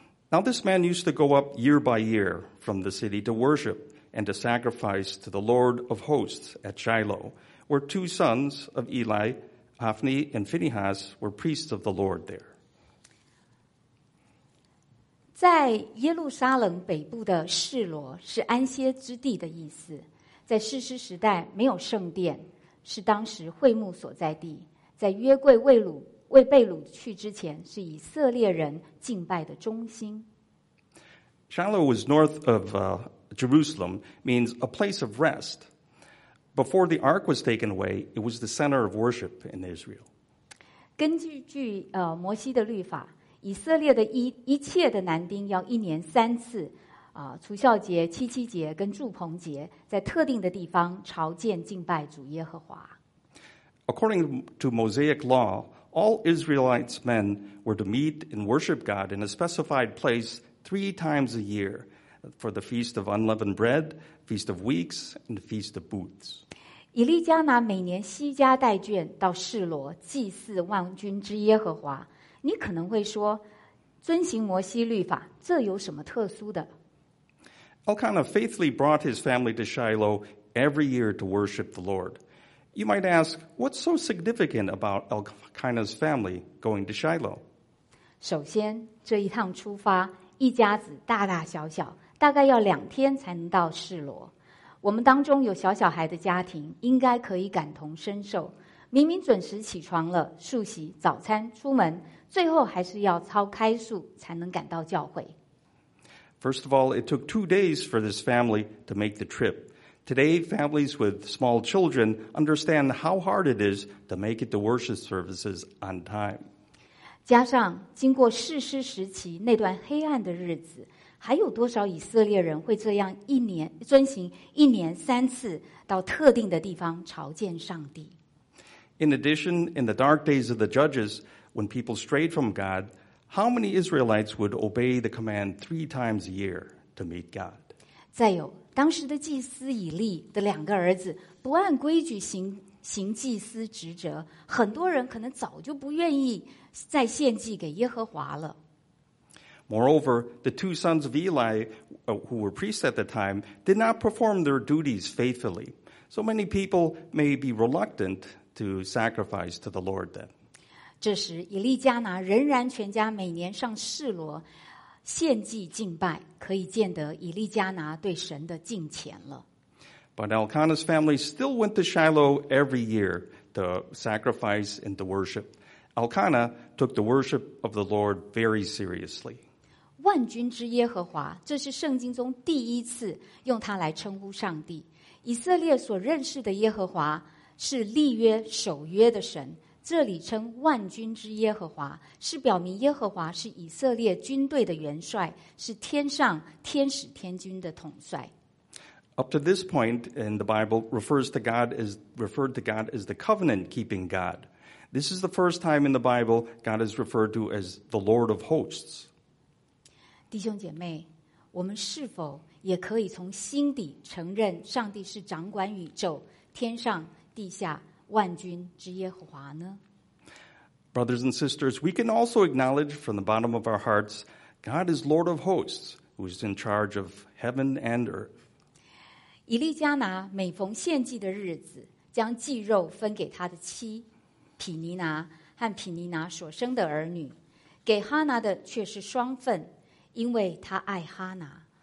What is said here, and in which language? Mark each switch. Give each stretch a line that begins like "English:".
English: Now this man used to go up year by year from the city to worship and to sacrifice to the Lord of hosts at Shiloh, where two sons of Eli, Hophni and Phinehas, were priests of the Lord there.
Chinese: 在耶路撒冷北部的示罗是安歇之地的意思。在士师时代没有圣殿，是当时会幕所在地。在约柜未被掳去之前，是以色列人敬拜的中心。
English: Shiloh was north of Jerusalem, means a place of rest. Before the ark was taken away, it was the center of worship in Israel.
Chinese: 根据摩西的律法，以色列的一切的男丁要一年三次。除孝节、七七节跟祝棚节，在特定的地方朝见敬拜主耶和华。
English: According to Mosaic law, all Israelites' men were to meet and worship God in a specified place 3 times a year for the Feast of Unleavened Bread, Feast of Weeks, and Feast of Booths.
Chinese: 以利加拿每年西家带眷到示罗祭祀万军之耶和华。你可能会说，遵行摩西律法，这有什么特殊的？
English: Elkanah faithfully brought his family to Shiloh every year to worship the Lord. You might ask, what's so significant about Elkanah's family going to Shiloh?
Chinese: 首先，这一趟出发，一家子大大小小，大概要2天才能到示罗。我们当中有小小孩的家庭，应该可以感同身受。明明准时起床了，漱洗、早餐、出门，最后还是要操开数才能赶到教会。
English: First of all, it took 2 days for this family to make the trip. Today, families with small children understand how hard it is to make it to worship services on time.
Chinese: 加上经过士师时期那段黑暗的日子，还有多少以色列人会这样一年遵行一年三次到特定的地方朝见上帝？
English: In addition, in the dark days of the judges, when people strayed from God,How many Israelites would obey the command 3 times a year to meet God?
Chinese: 再有，当时的祭司以利的两个儿子不按规矩行祭司职责，很多人可能早就不愿意再献祭给耶和华了。
English: Moreover, the two sons of Eli, who were priests at the time, did not perform their duties faithfully. So many people may be reluctant to sacrifice to the Lord then.
Chinese: 这时以利加拿仍然全家每年上示罗献祭敬拜，可以见得以利加拿对神的敬虔了。
English: But Elkanah's family still went to Shiloh every year to sacrifice and to worship. Elkanah took the worship of the Lord very seriously.
Chinese: 万军之耶和华，这是圣经中第一次用它来称呼上帝。以色列所认识的耶和华是立约守约的神，这里称万军之耶和华，是表明耶和华是以色列军队的元帅，是天上天使天军的统帅。
English: Up to this point in the Bible, referred to God as the covenant-keeping God. This is the first time in the Bible God is referred to as the Lord of hosts.
Chinese: 弟兄姐妹，我们是否也可以从心底承认上帝是掌管宇宙、天上、地下？万军之耶和华呢?
English: Brothers and sisters, we can also acknowledge from the bottom of our hearts, God is Lord of hosts, who is in charge of heaven and earth.
Chinese: 以利加拿每逢献祭的日子，将祭肉分给他的妻皮尼拿和皮尼拿所生的儿女，给哈拿的却是双份，因为他爱哈拿。